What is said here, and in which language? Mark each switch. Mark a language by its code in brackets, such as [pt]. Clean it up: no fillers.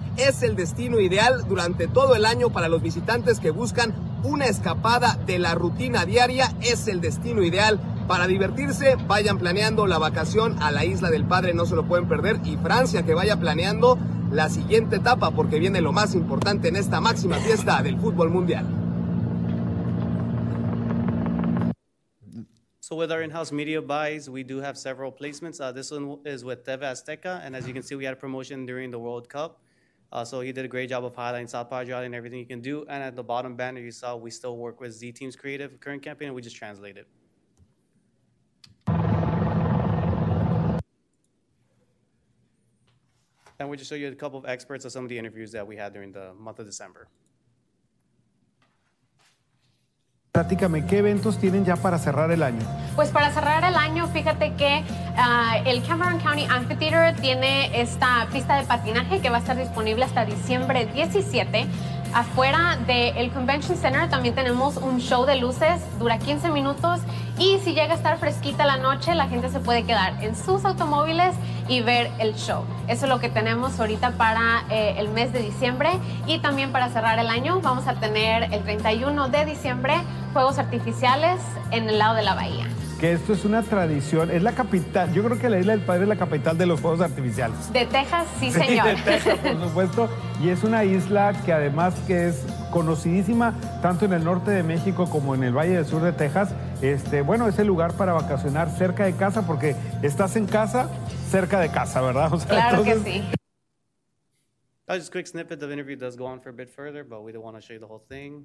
[es] Es el destino ideal durante todo el año para los visitantes que buscan una escapada de la rutina diaria. Es el destino ideal para divertirse. Vayan planeando la vacación a la Isla del Padre, no se lo pueden perder. Y Francia, que vaya planeando la siguiente etapa, porque viene lo más importante en esta máxima fiesta del fútbol mundial. [en] So with our in-house media buys, we do have several placements. This one is with TV Azteca, and as you can see, we had a promotion during the World Cup. So he did a great job of highlighting South Padre Island and everything you can do. And at the bottom banner, you saw we still work with Z Team's creative current campaign, and we just translate it. And we'll just show you a couple of experts of some of the interviews that we had during the month of December. [es] Platícame, ¿qué eventos tienen ya para cerrar el año? Pues para cerrar el año, fíjate que el Cameron County Amphitheater tiene esta pista de patinaje que va a estar disponible hasta diciembre 17. Afuera del Convention Center también tenemos un show de luces, dura 15 minutos. Y si llega a estar fresquita la noche, la gente se puede quedar en sus automóviles y ver el show. Eso es lo que tenemos ahorita para el mes de diciembre. Y también para cerrar el año, vamos a tener el 31 de diciembre, fuegos artificiales en el lado de la bahía. que esto es una tradición, es la capital, yo creo que la Isla del Padre es la capital de los fuegos artificiales. De Texas, sí, señor. Sí, de Texas, por supuesto, y es una isla que además que es conocidísima tanto en el norte de México como en el valle del sur de Texas, bueno, es el lugar para vacacionar cerca de casa, porque estás en casa, cerca de casa, ¿verdad? O sea, claro, entonces... que sí. [en] That was just a quick snippet. The interview does go on for a bit further, but we don't want to show you the whole thing.